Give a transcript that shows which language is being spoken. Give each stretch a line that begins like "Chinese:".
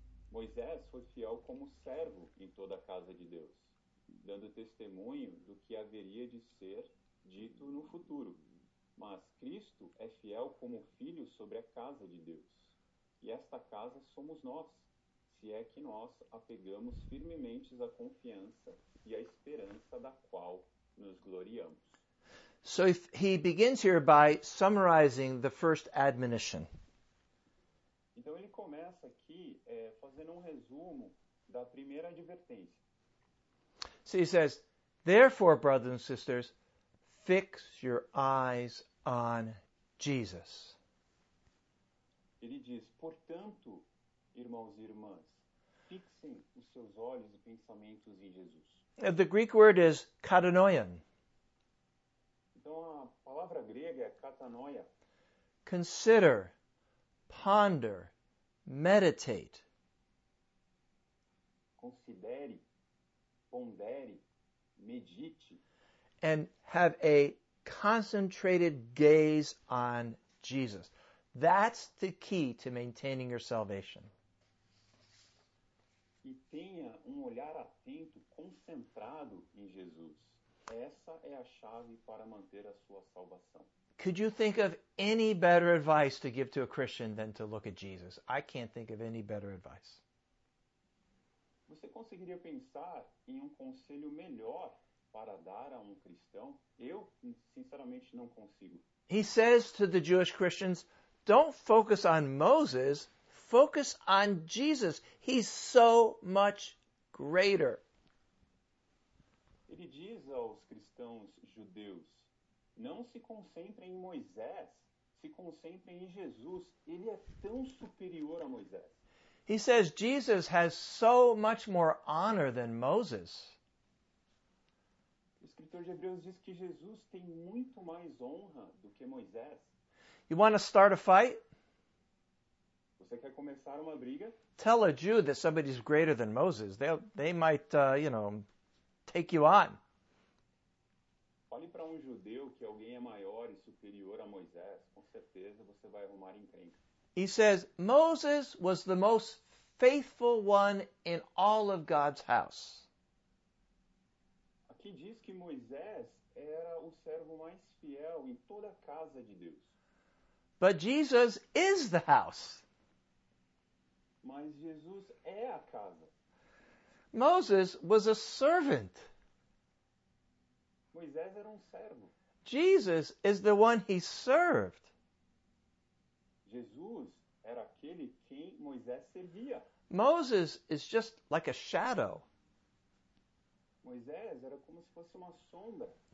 Portuguese: Moisés foi fiel como servo em toda a casa de Deus, dando testemunho do que haveria de ser dito no futuro. Mas Cristo é fiel como filho sobre a casa de Deus. E esta casa somos nós, se é que nós apegamos firmemente à confiança e à esperança da qual nos gloriamos.
English: So if he begins here by summarizing the first admonition.
Portuguese: Então ele começa aqui fazendo resumo da primeira advertência.
English: So he says, therefore, brothers and sisters, fix your eyes on Jesus.
Portuguese: Ele diz, portanto, irmãos e irmãs, fixem os seus olhos e pensamentos em Jesus.
English: The Greek word is katanoian.
Portuguese: Então, a palavra grega é katanoia.
English: Consider, ponder, meditate.
Portuguese: Considere, pondere, medite.
English: And have a concentrated gaze on Jesus. That's the key to maintaining your salvation.
Portuguese: E tenha olhar atento, concentrado em Jesus. Essa é a chave para manter a sua salvação.
English: Could you think of any better advice to give to a Christian than to look at Jesus? I can't think of any better advice.
Portuguese: Você conseguiria pensar em conselho melhor para dar a cristão? Eu, sinceramente, não consigo.
English: He says to the Jewish Christians, don't focus on Moses, focus on Jesus. He's so much greater.
Portuguese: Ele diz aos cristãos judeus, não se concentrem em Moisés, se concentrem em Jesus. Ele é tão superior a Moisés.
English: He says Jesus has so much more honor than Moses.
Portuguese: O escritor de Hebreus diz que Jesus tem muito mais honra do que Moisés.
English: You want to start a fight?
Portuguese: Você quer começar uma briga?
English: Tell a Jew that somebody's greater than Moses. They might, you know, take you on.
Portuguese: Fale para judeu que alguém é maior e superior a Moisés, com certeza você vai arrumar encrenca.
English: He says Moses was the most faithful one in all of God's house.
Portuguese: Aqui diz que Moisés era o servo mais fiel em toda a casa de Deus.
English: But Jesus is the house.
Portuguese: Mas Jesus é a casa.
English: Moses was a servant.
Portuguese: Moisés era servo.
English: Jesus is the one he served.
Portuguese: Jesus era aquele quem Moisés servia.
English: Moses is just like a shadow.
Portuguese: Moisés era como se fosse uma sombra.